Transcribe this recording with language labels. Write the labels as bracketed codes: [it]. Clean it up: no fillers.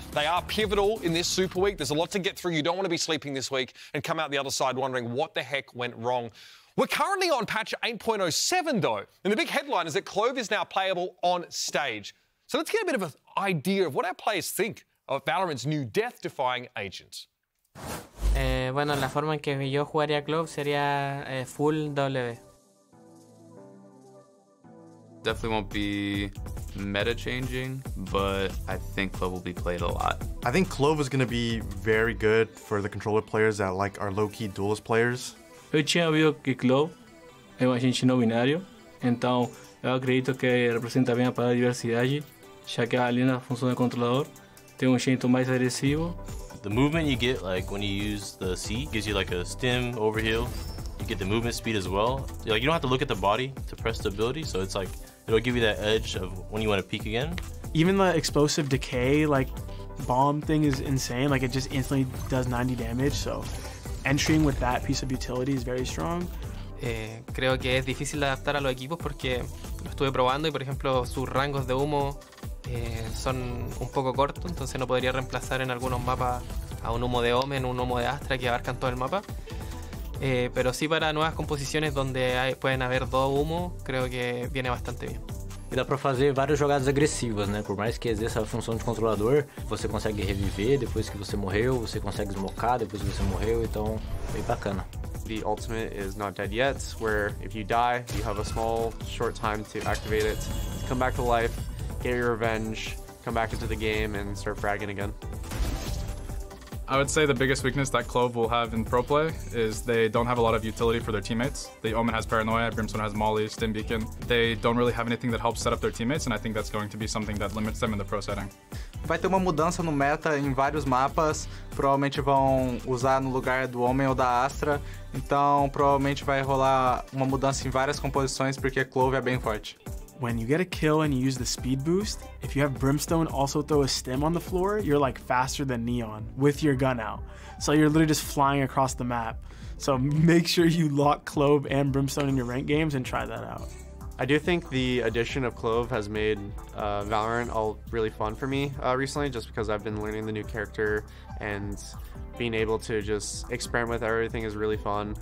[en] They are pivotal in this Super Week. There's a lot to get through. You don't want to be sleeping this week and come out the other side wondering what the heck went wrong. We're currently on patch 8.07, though, and the big headline is that Clove is now playable on stage. So let's get a bit of an idea of what our players think of Valorant's new death-defying agent. [es] Bueno, la forma en que yo jugaría Clove sería full W. [en] Definitely won't be meta-changing, but I think Clove will be played a lot. I think Clove is going to be very good for the controller players that like are low-key duelist players. [pt] Eu tinha visto que Clove é um agente não binário, então eu acredito que representa bem a diversidade, já que a Alina funciona de controlador, tem jeito mais agressivo. [en] The movement you get like when you use the C gives you like a stim overheal. You get the movement speed as well. Like you don't have to look at the body to press the ability, so it's like it'll give you that edge of when you want to peek again. Even the explosive decay like bomb thing is insane. Like it just instantly does 90 damage, so entering with that piece of utility is very strong. [es] Creo que es difícil adaptar a los equipos porque lo estuve probando y por ejemplo sus rangos de humo son un poco cortos, entonces no podría reemplazar en algunos mapas a un humo de Omen, un humo de Astra que abarcan todo el mapa. Pero sí para nuevas composiciones donde pueden haber dos humo, creo que viene bastante bien. [pt] E dá para fazer várias jogadas agressivas, né? Por mais que exerça a função de controlador, você consegue reviver depois que você morreu, você consegue smocar depois que você morreu, então bem bacana. [en] The ultimate is not dead yet, where if you die, you have a small, short time to activate it, to come back to life, get your revenge, come back into the game and start fragging again. I would say the biggest weakness that Clove will have in pro play is they don't have a lot of utility for their teammates. The Omen has Paranoia, Brimstone has Molly, Stim Beacon. They don't really have anything that helps set up their teammates, and I think that's going to be something that limits them in the pro setting. [pt] Vai ter uma mudança no meta em vários mapas. Provavelmente vão usar no lugar do Omen ou da Astra. Então, provavelmente vai rolar uma mudança em várias composições porque Clove é bem forte. [en] When you get a kill and you use the speed boost, if you have Brimstone also throw a stim on the floor, you're like faster than Neon with your gun out. So you're literally just flying across the map. So make sure you lock Clove and Brimstone in your ranked games and try that out. I do think the addition of Clove has made Valorant all really fun for me recently, just because I've been learning the new character and being able to just experiment with everything is really fun.